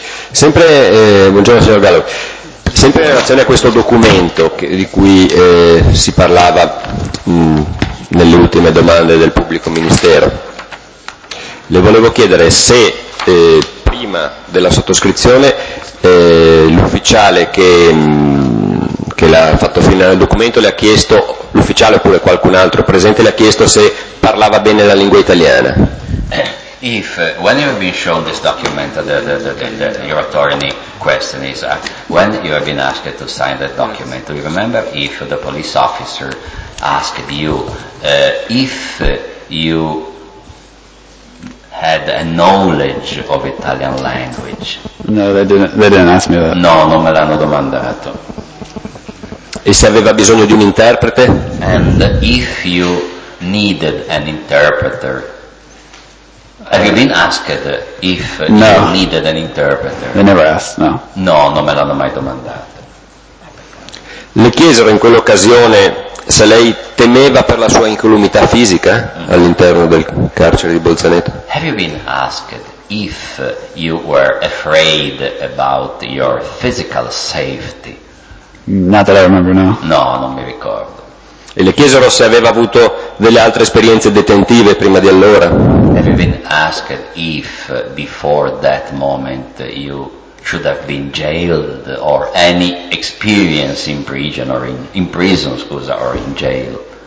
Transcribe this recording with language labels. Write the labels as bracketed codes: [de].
[it] Sempre buongiorno signor Galloway. Sempre in relazione a questo documento che, di cui si parlava nelle ultime domande del pubblico ministero, le volevo chiedere se prima della sottoscrizione l'ufficiale che l'ha fatto firmare il documento le ha chiesto, l'ufficiale oppure qualcun altro presente le ha chiesto se parlava bene la lingua italiana. [en] If when you have been shown this document, the your attorney question is when you have been asked to sign that document, do you remember if the police officer asked you if you had a knowledge of Italian language? No, they didn't ask me that. [it] No, non me l'hanno domandato. E se aveva bisogno di un interprete? [en] And if you needed an interpreter? Have you been asked if no. you needed an interpreter? They never asked, no. [it] No, non me l'hanno mai domandato. Le chiesero in quell'occasione se lei temeva per la sua incolumità fisica all'interno del carcere di Bolzaneto? [en] Have you been asked if you were afraid about your physical safety? Not that I remember, no. [it] No, non mi ricordo. E le chiesero se aveva avuto delle altre esperienze detentive prima di allora? [en] Have you been asked if before that moment you should have been jailed or any experience in prison or in prison, scusa, or in jail?